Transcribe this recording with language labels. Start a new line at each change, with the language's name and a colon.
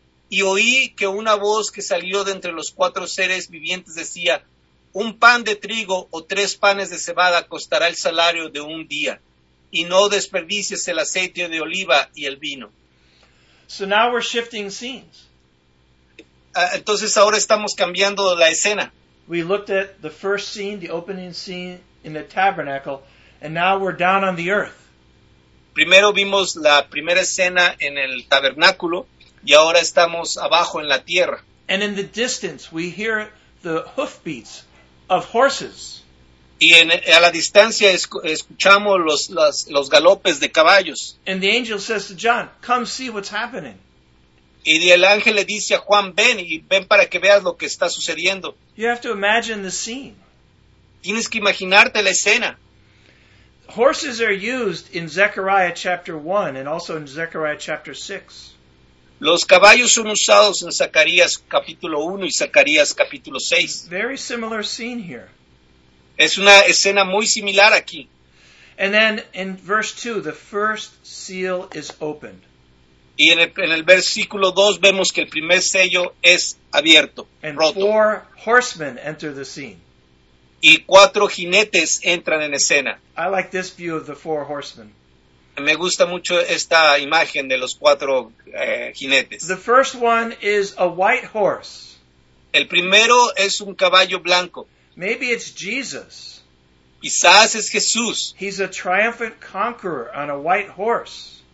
Spanish: Y oí que una voz que salió de entre los cuatro seres vivientes decía, un pan de trigo o tres panes de cebada costará el salario de un día, y no desperdicies el aceite de oliva y el vino.
English: So now we're shifting scenes.
Spanish: Entonces ahora estamos cambiando la escena.
English: We looked at the first scene, the opening scene in the tabernacle, and now we're down on the earth.
Spanish: Primero vimos la primera escena en el tabernáculo, y ahora estamos abajo en la tierra.
English: And in the distance we hear the hoofbeats of horses.
Spanish: Y a la distancia escuchamos los galopes de caballos.
English: And the angel says to John, come see what's happening.
Spanish: Y el ángel le dice a Juan, ven y ven para que veas lo que está sucediendo.
English: You have to imagine the scene.
Spanish: Tienes que imaginarte la escena.
English: Horses are used in Zechariah chapter 1 and also in Zechariah chapter 6.
Spanish: Los caballos son usados en Zacarías capítulo 1 y Zacarías capítulo 6.
English: Very similar scene here.
Spanish: Es una escena muy similar aquí.
English: And then in verse 2, the first seal is opened.
Spanish: Y en el versículo 2 vemos que el primer sello es abierto,
English: and
Spanish: roto.
English: Four horsemen enter the scene.
Spanish: Y cuatro jinetes entran en escena.
English: I like this view of the four horsemen.
Spanish: Me gusta mucho esta imagen de los cuatro jinetes.
English: The first one is a white horse.
Spanish: El primero es un caballo blanco.
English: Maybe it's Jesus.
Spanish: Quizás es Jesús.
English: He's a triumphant conqueror on a white horse.